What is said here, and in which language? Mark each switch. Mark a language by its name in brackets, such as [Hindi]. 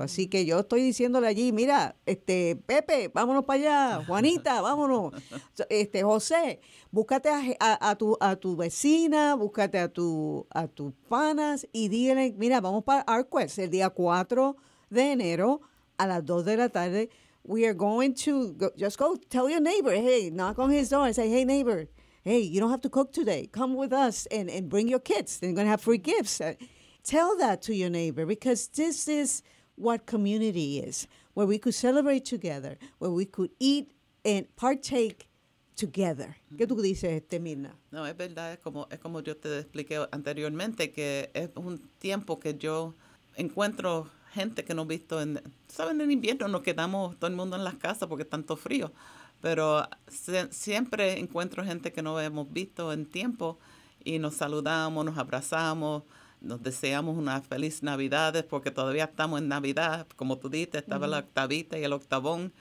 [Spanish] Así que yo estoy diciéndole allí, mira, Pepe, vámonos para allá. Juanita, vámonos. José, búscate a tu vecina, búscate a tus panas y dígale, mira, vamos para ArtQuest el día 4 de enero a las 2 de la tarde. [English] We are going to, just go tell your neighbor, hey, knock on his door and say, hey, neighbor, hey, you don't have to cook today. Come with us and bring your kids. They're going to have free gifts. Tell that to your neighbor, because this is what community is, where we could celebrate together, where we could eat and partake together. [Spanish] ¿Qué tú dices, Mirna? No, es verdad. Es como yo te expliqué anteriormente, que es un tiempo que yo encuentro gente que no he visto en... ¿Saben? En invierno nos quedamos todo el mundo en las casas porque es tanto frío. Pero siempre encuentro gente que no hemos visto en tiempo y nos saludamos, nos abrazamos, nos deseamos una feliz Navidad, porque todavía estamos en Navidad, como tú dices, estaba uh-huh la octavita y el octavón.